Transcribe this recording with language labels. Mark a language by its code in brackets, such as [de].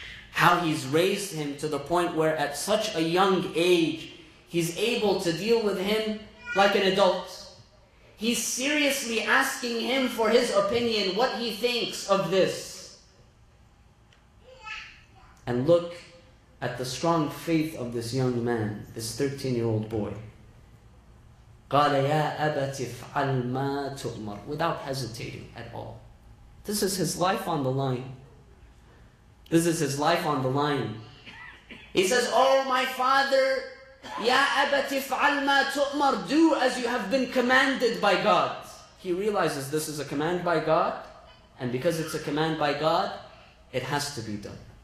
[en] How he's raised him to the point where at such a young age, he's able to deal with him like an adult. He's seriously asking him for his opinion, what he thinks of this. And look at the strong faith of this young man, this 13-year-old boy. [ar] قَالَ يَا أَبَتِ فْعَلْ مَا تُؤْمَرْ [en] Without hesitating at all. This is his life on the line. This is his life on the line. He says, Oh my father, [ar] Ya abati fa'al ma tu'mar, [en] do as you have been commanded by God. He realizes this is a command by God, and because it's a command by God, it has to be done.